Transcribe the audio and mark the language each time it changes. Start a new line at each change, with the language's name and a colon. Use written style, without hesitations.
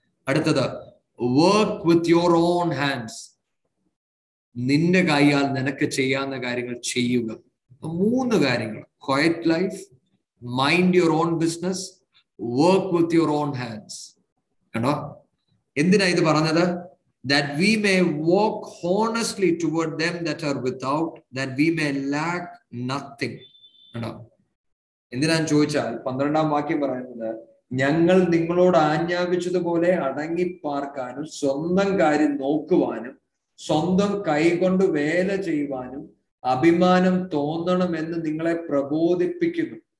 Malayalam: അടുത്തത്,
English: work with your own hands,
Malayalam: നിന്റെ കൈയാൽ നിനക്ക് ചെയ്യാവുന്ന കാര്യങ്ങൾ ചെയ്യുക. അപ്പൊ മൂന്ന് കാര്യങ്ങൾ:
English: Quiet life, mind your own business, work with your own hands.
Malayalam: കണ്ടോ, എന്തിനാ ഇത് പറഞ്ഞത്?
English: That we may walk honestly toward them that are without, that we may lack nothing.
Malayalam: കണ്ടോ, എന്തിനാ ചോദിച്ചാൽ 12-ാം വാക്യം പറയുന്നത്, ഞങ്ങൾ നിങ്ങളോട് ആജ്ഞാപിച്ചതുപോലെ അടങ്ങി പാർക്കാനും സ്വന്തം കാര്യം നോക്കുവാനും സ്വന്തം കൈകൊണ്ട് വേല ചെയ്യുവാനും അഭിമാനം തോന്നണമെന്ന് നിങ്ങളെ പ്രബോധിപ്പിക്കുന്നു.